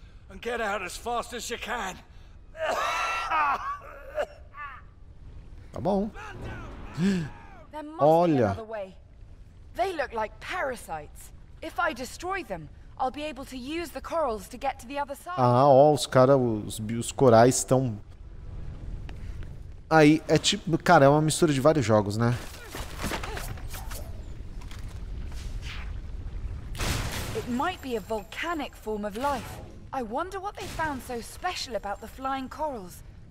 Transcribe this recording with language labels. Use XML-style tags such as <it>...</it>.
<en>And get out as fast as you can.</en> <pt>Tá bom. Olha.</pt> <en>They look like parasites. If I destroy them, I'll be able to use the corals to get to the other side.</en> <pt>Ah, ó, os caras, os corais estão aí, é tipo, cara, é uma mistura de vários jogos, né?</pt> <en>Might be a volcanic form of life. I wonder what they found so special about the flying corals.</en>